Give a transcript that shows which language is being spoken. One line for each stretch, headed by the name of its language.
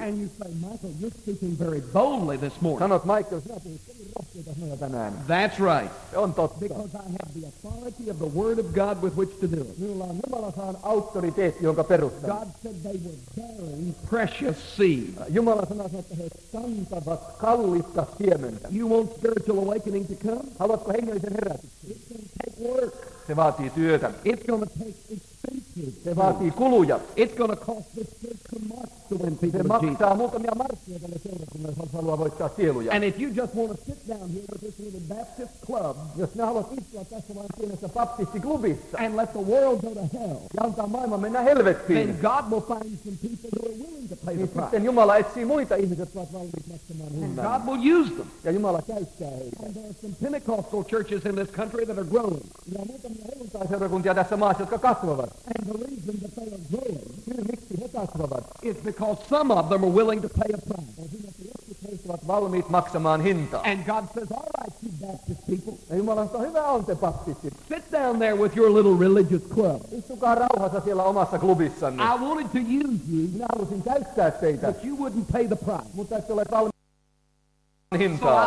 English: And you say, Michael, you're speaking very boldly this morning.
Finnish: Sanot, Michael, sinä puhut kovin rohkeita sanoja tänään.
English: That's right.
Finnish: On totta.
English: Because I have the authority of the word of God with which to do it.
Finnish: Minulla on Jumalan auktoriteetti, jonka perustan.
English: God said they were bearing precious seed.
Finnish: Jumala sanoi, että he kantavat kallista siementä.
English: You want spiritual awakening to come?
Finnish: Haluatko hengellisen herätyksen?
English: It's going to take work.
Finnish: Se vaatii työtä.
English: It's going to take expenses.
Finnish: Se vaatii kuluja.
English: It's going to cost this church much to win people.
Finnish: Se maksaa muutamia markkia tälle seurakunnalle, jos haluaa voittaa sieluja.
English: And if you just want to sit down here with this little Baptist club,
Finnish: jos sinä haluat istua tässä vain pienessä baptistiklubissa,
English: and let the world go to hell,
Finnish: ja antaa maailman mennä helvettiin,
English: then God will find some people who are willing to pay the price.
Finnish: Sitten Jumala etsii muita ihmisiä, jotka ovat valmiit maksamaan hinnan.
English: God will use them.
Finnish: Ja Jumala käyttää heitä.
English: And there are some Pentecostal churches in this country that are growing.
Finnish: Seurakuntia tässä maassa, jotka kasvavat.
English: And the reason that they are growing,
Finnish: syy miksi he kasvavat,
English: is because some of them are willing to pay a price.
Finnish: Ja jotkut heistä ovat valmiit maksamaan hintaa.
English: And God says, all right, you Baptist people.
Finnish: Ja Jumala sanoo, hyvä on te baptistit.
English: Sit down there with your little religious club.
Finnish: Istukaa rauhassa siellä omassa klubissanne.
English: I wanted to use you.
Finnish: Minä halusin käyttää teitä.
English: But you wouldn't pay the price.
Finnish: Mutta ette ole valmiit maksamaan hintaa.